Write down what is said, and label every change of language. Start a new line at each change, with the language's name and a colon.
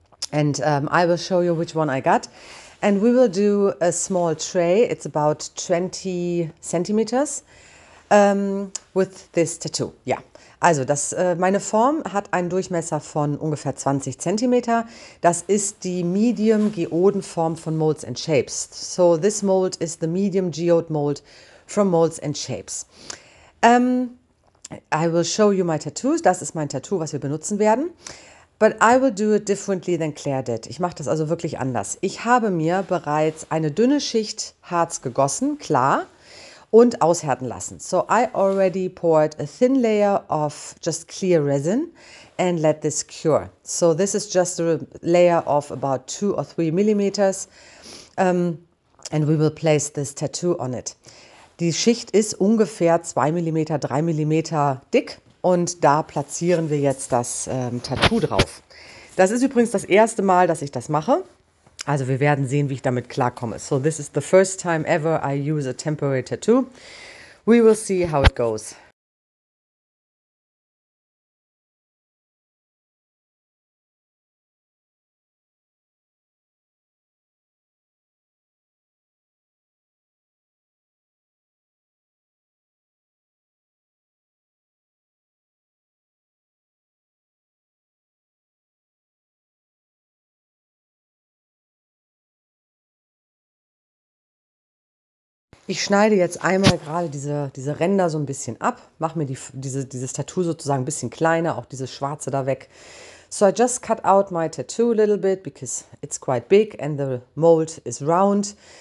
English: And I will show you which one I got. And we will do a small tray, it's about 20 centimeters with this tattoo. Yeah.
German: Also das, meine Form hat einen Durchmesser von ungefähr 20 cm. Das ist die Medium Geodenform von Molds and Shapes.
English: So this mold is the medium geode mold from Molds and Shapes. I will show you my tattoos.
German: Das ist mein Tattoo, was wir benutzen werden.
English: But I will do it differently than Claire did.
German: Ich mache das also wirklich anders. Ich habe mir bereits eine dünne Schicht Harz gegossen, klar, und aushärten lassen.
English: So I already poured a thin layer of just clear resin and let this cure. So this is just a layer of about 2 or 3 millimeters. And we will place this tattoo on it.
German: Die Schicht ist ungefähr 2 mm, 3 mm dick. Und da platzieren wir jetzt das Tattoo drauf. Das ist übrigens das erste Mal, dass ich das mache. Also wir werden sehen, wie ich damit klarkomme.
English: So this is the first time ever I use a temporary tattoo. We will see how it goes.
German: Ich schneide jetzt einmal gerade diese Ränder so ein bisschen ab, mache mir dieses Tattoo sozusagen ein bisschen kleiner, auch dieses Schwarze da weg.
English: So I just cut out my tattoo a little bit, because it's quite big and the mold is round.